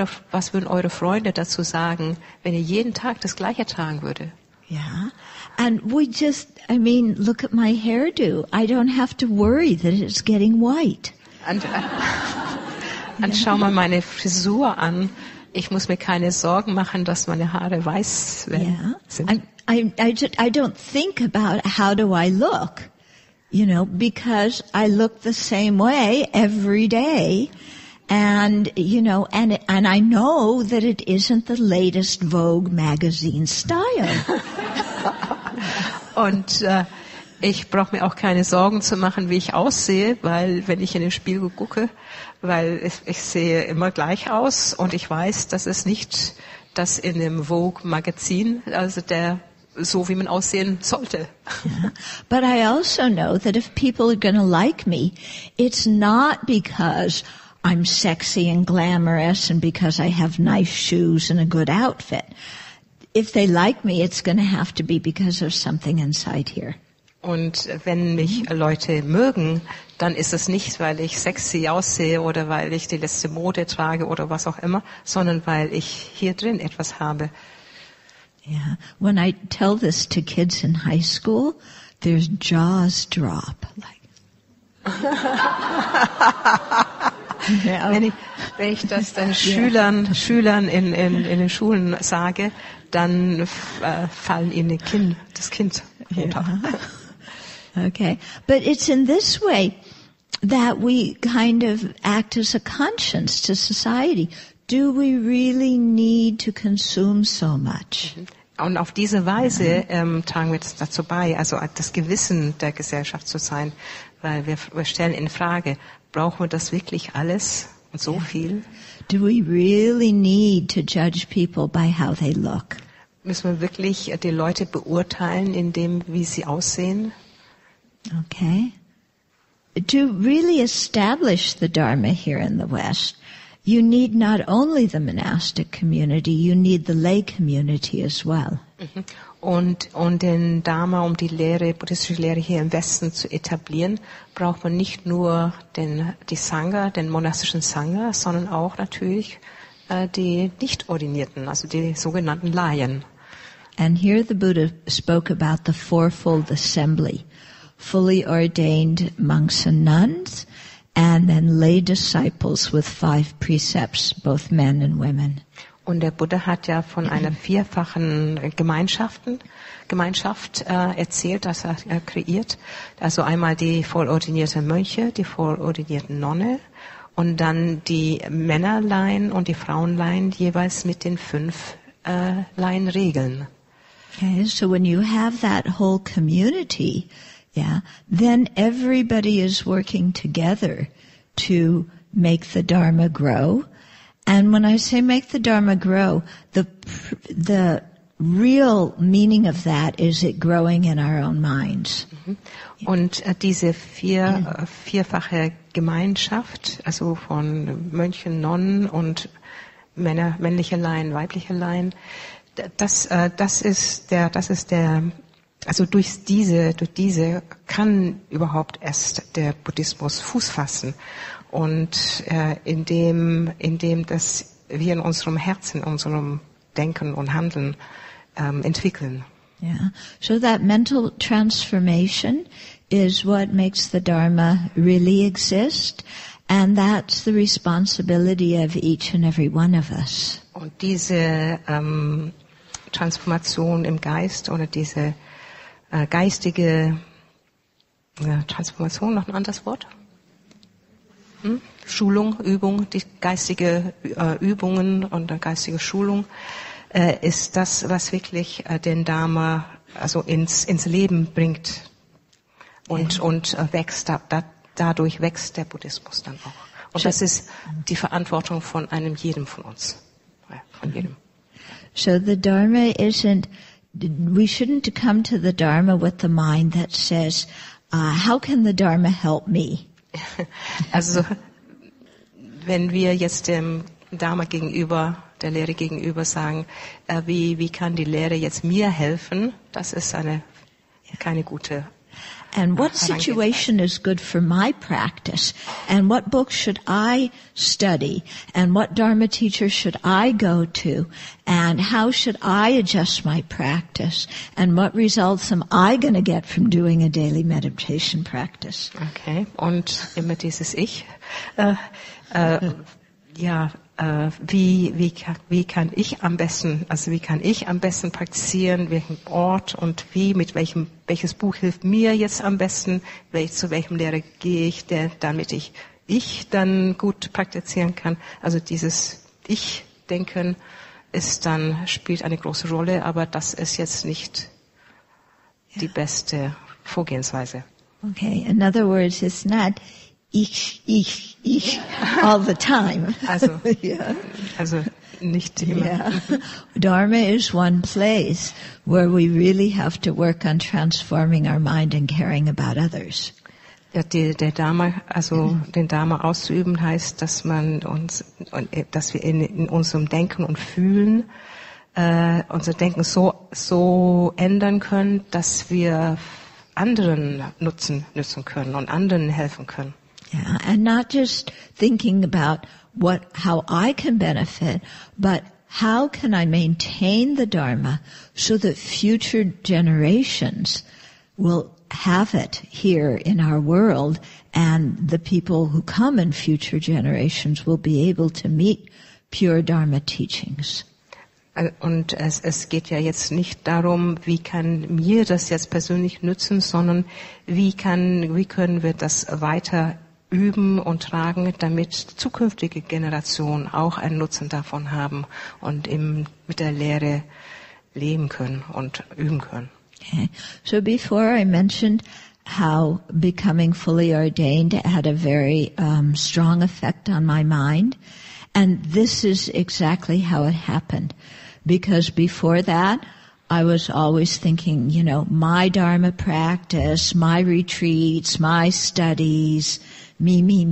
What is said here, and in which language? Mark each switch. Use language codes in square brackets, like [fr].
[de] Was würden eure Freunde dazu sagen, wenn ihr jeden Tag das gleiche tragen würde? [en] Yeah. And we just, I mean, look at my hairdo. I don't have to worry that it's getting white. [de] Und schau mal meine Frisur an. Ich muss mir keine Sorgen machen, dass meine Haare weiß werden. [en] Yeah. I don't think about how do I look, you know, because I look the same way every day, and you know, and I know that it isn't the latest Vogue magazine style. [de] Und ich brauche mir auch keine Sorgen zu machen, wie ich aussehe, weil wenn ich in den Spiegel gucke, weil ich sehe immer gleich aus und ich weiß, dass es nicht das in dem Vogue-Magazin, also der so wie man aussehen sollte. [en] Yeah. But I also know that if people are going to like me, it's not because I'm sexy and glamorous and because I have nice shoes and a good outfit. If they like me, it's going to have to be because of something inside here. [de] Und wenn mich Leute mögen, dann ist es nicht, weil ich sexy aussehe oder weil ich die letzte Mode trage oder was auch immer, sondern weil ich hier drin etwas habe. [en] Yeah. When I tell this to kids in high school, their jaws drop. Like. Yeah. [de] Wenn ich das dann Schülern in den Schulen sage, dann fallen ihnen das Kind runter. [en] Yeah. Okay, but it's in this way that we kind of act as a conscience to society. Do we really need to consume so much? [de] Und auf diese Weise tragen wir dazu bei, also das Gewissen der Gesellschaft zu sein, weil wir stellen in Frage, brauchen wir das wirklich alles und so viel? [en] Do we really need to judge people by how they look? [de] Müssen wir wirklich die Leute beurteilen in dem, wie sie aussehen? [en] Okay. To really establish the Dharma here in the West, you need not only the monastic community, you need the lay community as well. [de] Und den Dharma, um die Lehre, buddhistische Lehre hier im Westen zu etablieren, braucht man nicht nur die Sangha, den monastischen Sangha, sondern auch natürlich die Nicht-Ordinierten, also die sogenannten Laien. [en] And here the Buddha spoke about the fourfold assembly. Fully ordained monks and nuns, and then lay disciples with five precepts, both men and women. [de] Und der Buddha hat ja von einer vierfachen Gemeinschaft erzählt, dass er kreiert. Also einmal die vollordinierten Mönche, die vollordinierten Nonne und dann die Männerlein und die Frauenlein jeweils mit den fünf Leinregeln. [en] Okay, so when you have that whole community, yeah, then everybody is working together to make the Dharma grow. And when I say make the Dharma grow, the real meaning of that is it growing in our own minds. Mm-hmm. [de] Und diese vierfache Gemeinschaft, also von Mönchen, Nonnen und Männer, männliche Laien, weibliche Laien, durch diese kann überhaupt erst der Buddhismus Fuß fassen. Und indem das wir in unserem Herzen, in unserem Denken und Handeln entwickeln. [en] Yeah. So that mental transformation is what makes the Dharma really exist, and that's the responsibility of each and every one of us. [de] Und diese Transformation im Geist oder diese geistige Transformation, noch ein anderes Wort? Schulung, Übung, die geistige Übungen und eine geistige Schulung ist das, was wirklich den Dharma also ins Leben bringt und wächst. Dadurch wächst der Buddhismus dann auch. Und das ist die Verantwortung von einem jedem von uns. Von jedem. [en] So the Dharma isn't, we shouldn't come to the Dharma with the mind that says, how can the Dharma help me? [de] Also, wenn wir jetzt dem Dharma gegenüber, der Lehre gegenüber sagen, wie kann die Lehre jetzt mir helfen, das ist keine gute Herangehensweise. [en] And what situation is good for my practice? And what book should I study? And what Dharma teacher should I go to? And how should I adjust my practice? And what results am I going to get from doing a daily meditation practice? [de] Okay, und immer dieses Ich. Wie kann ich am besten praktizieren, welchen Ort und wie, mit welches Buch hilft mir jetzt am besten, zu welchem Lehrer gehe ich, damit ich dann gut praktizieren kann. Also dieses Ich-Denken spielt eine große Rolle, aber das ist jetzt nicht die beste Vorgehensweise. [en] Okay, in other words, it's not ich all the time. [de] Also nicht immer. [en] Yeah. Dharma is one place where we really have to work on transforming our mind and caring about others. [de] Ja, der Dharma, also den Dharma auszuüben heißt, dass man uns und dass wir in unserem Denken und Fühlen unser Denken so ändern können, dass wir anderen nützen können und anderen helfen können. [en] Yeah, and not just thinking about how I can benefit, but how can I maintain the Dharma so that future generations will have it here in our world, and the people who come in future generations will be able to meet pure Dharma teachings. [de] Und es geht ja jetzt nicht darum, wie kann mir das jetzt persönlich nützen, sondern wie können wir das weiter üben und tragen, damit zukünftige Generationen auch einen Nutzen davon haben und mit der Lehre leben können und üben können. [en] Okay. So before I mentioned how becoming fully ordained had a very strong effect on my mind, and this is exactly how it happened. Because before that, I was always thinking, you know, my Dharma practice, my retreats, my studies, me.